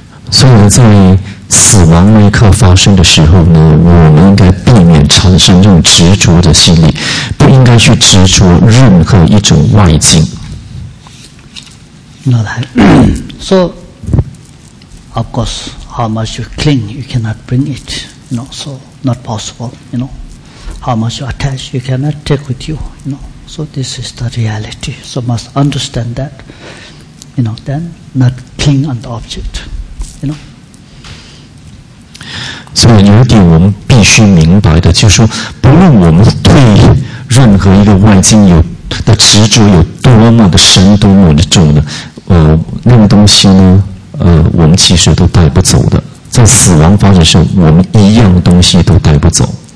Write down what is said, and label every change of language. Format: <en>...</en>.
<zh>所以在死亡那一刻发生的时候呢，我们应该避免产生这种执着的心理，不应该去执着任何一种外境。</zh> <en>No, that. So, of course, how much you cling, you cannot bring it. You know, so not possible. You know, how much you attach, you cannot take with you. You know. So this is the reality. So must understand that, you know, then not cling on the object, you know.</en> <zh>所以有一点我们必须明白的，就是说，不论我们对任何一个外境有的执着有多么的深、多么的重的，那个东西呢，我们其实都带不走的。在死亡发生时，我们一样东西都带不走。</zh>